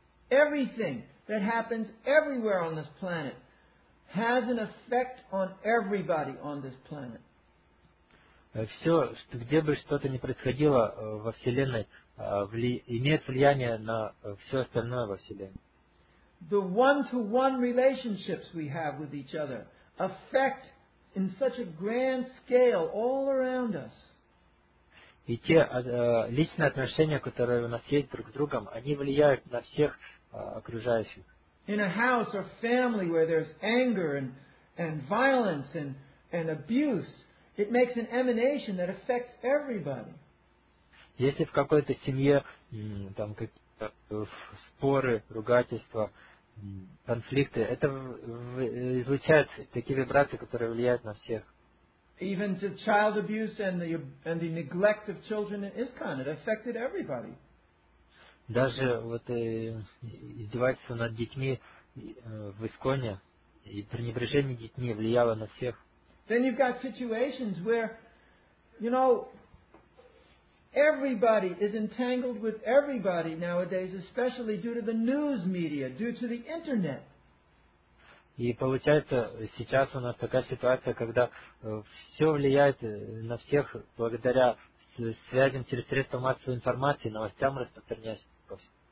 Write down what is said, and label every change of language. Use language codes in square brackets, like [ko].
[en] Everything that happens everywhere on this planet has an effect on everybody on this planet. [ru] Все, что, где бы что-то ни происходило во Вселенной, имеет влияние на все остальное во Вселенной. [en] The one-to-one relationships we have with each other affect in such a grand scale all around us. [ru] И те личные отношения, которые у нас есть друг с другом, они влияют на всех окружающих. [en] In a house or family where there's anger and violence and abuse, it makes an emanation that affects everybody. [ru] Если в какой-то семье там какие-то споры, ругательства, конфликты, это излучает такие вибрации, которые влияют на всех. [en] Even to child abuse and the neglect of children in ISKCON, it affected everybody. [ru] Даже вот издевательство над детьми в ИСКОНе и пренебрежение детьми влияло на всех. [en] Then you've got situations where, you know, everybody is entangled with everybody nowadays, especially due to the news media, due to the internet. [ru] И получается, сейчас у нас такая ситуация, когда все влияет на всех благодаря связям через средства массовой информации, новостям распространяющимся по всему.